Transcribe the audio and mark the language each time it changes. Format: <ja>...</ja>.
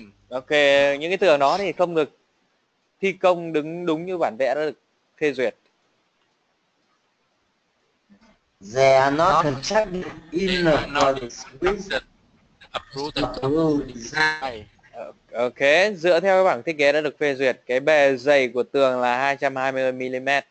<vi>Ok, những cái tường đó thì không được thi công đứng đúng như bản vẽ đã được phê duyệt.</vi> <en>They are not constructed in accordance with the design.</en> <vi>Ok, dựa theo cái bảng thiết kế đã được phê duyệt, cái bề dày của tường là 220 mm.</vi>